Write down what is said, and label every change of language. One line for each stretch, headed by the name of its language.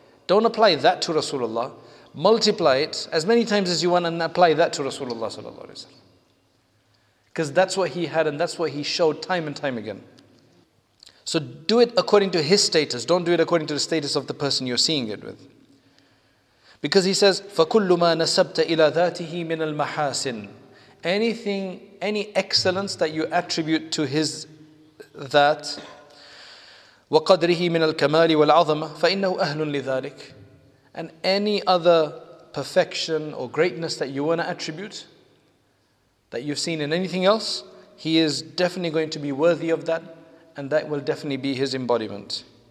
English: Don't apply that to Rasulullah. Multiply it as many times as you want and apply that to Rasulullah sallallahu alaihi wasallam. Because that's what he had and that's what he showed time and time again. So do it according to his status. Don't do it according to the status of the person you're seeing it with. Because he says,
Arabic: فَكُلُّ مَا نَسَبْتَ إِلَى ذَاتِهِ مِنَ الْمَحَاسِنِ.
English: Anything, any excellence that you attribute to his that,
Arabic: وَقَدْرِهِ مِنَ الْكَمَالِ وَالْعَظَمَةِ فَإِنَّهُ أَهْلٌ لِذَلِكِ.
English: And any other perfection or greatness that you want to attribute, that you've seen in anything else, he is definitely going to be worthy of that, and that will definitely be his embodiment.